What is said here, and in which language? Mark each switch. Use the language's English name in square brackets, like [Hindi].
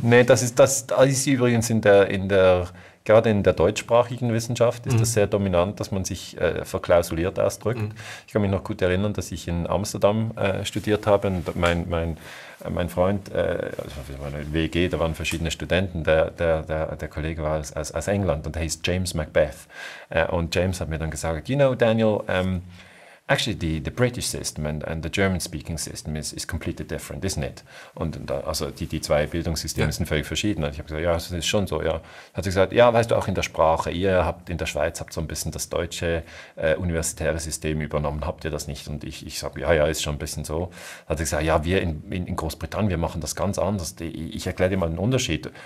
[German] Nee, das ist übrigens gerade in der deutschsprachigen Wissenschaft ist das sehr dominant, dass man sich verklausuliert ausdrückt. Mhm. Ich kann mich noch gut erinnern, dass ich in Amsterdam studiert habe und mein Freund, meine WG, da waren verschiedene Studenten, der Kollege war aus England und der hieß James Macbeth. Und James hat mir dann gesagt, [English] you know Daniel, actually the British system and the German speaking system is completely different, isn't it? [German] Und da, also die zwei Bildungssysteme sind völlig verschieden. Und ich habe gesagt, ja, das ist schon so, ja. Hat sie gesagt, ja, weißt du, auch in der Sprache, ihr habt in der Schweiz habt so ein bisschen das deutsche universitäre System übernommen, habt ihr das nicht? Und ich sage, ja, ist schon ein bisschen so. Hat sie gesagt, ja, wir in Großbritannien, wir machen das ganz anders. Ich erkläre dir mal den Unterschied.